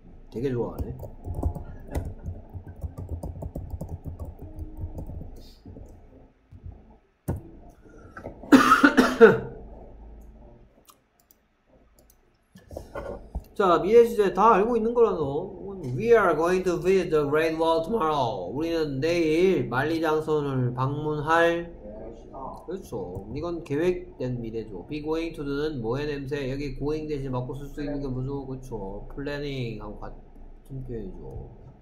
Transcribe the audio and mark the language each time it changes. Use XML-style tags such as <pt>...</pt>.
<ko>되게 좋아하네. 자, 미래 시제 다 알고 있는 거라서.</ko> <en>We are going to visit the Great Wall tomorrow.</en> <ko>우리는 내일 만리장성을 방문할. 그렇죠. 이건 계획된 미래죠. Be going to는 뭐의 냄새? 여기 going 대신 바꿔 쓸 수 있는 게 뭐죠? 그렇죠. Planning 하고 같은 표현이죠.</ko>